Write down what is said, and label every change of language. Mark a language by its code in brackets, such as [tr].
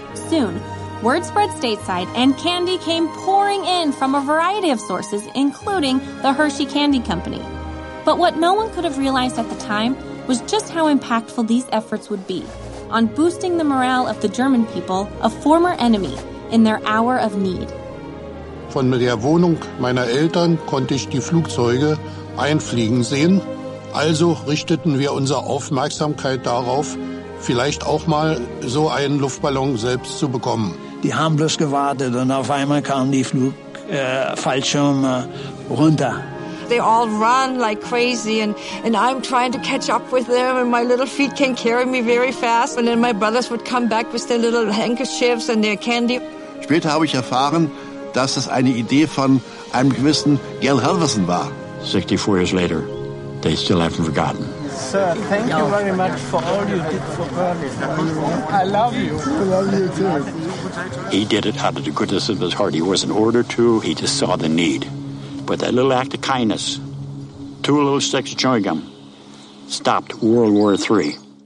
[en] Soon, word spread stateside, and candy came pouring in from a variety of sources, including the Hershey Candy Company. But what no one could have realized at the time was just how impactful these efforts would be on boosting the morale of the German people, a former enemy, in their hour of need. [de] Von der Wohnung meiner Eltern konnte ich die Flugzeuge einfliegen sehen. Also richteten wir unsere Aufmerksamkeit darauf, vielleicht auch mal so einen Luftballon selbst zu bekommen. Die haben bloß gewartet und auf einmal kamen die Flugfallschirme runter. [en] They all run like crazy and I'm trying to catch up with them and my little feet can carry me very fast. And then my brothers would come back with their little handkerchiefs and their candy. [de] Später habe ich erfahren, dass es eine Idee von einem gewissen Gale Halverson war. [en] 64 years later, they still haven't forgotten. Sir, thank you very much for all you did for Berlin. I love you. I love you too. He did it out of the goodness of his heart. He wasn't ordered to. He just saw the need. But that little act of kindness, two little sticks of chewing gum, stopped World War III.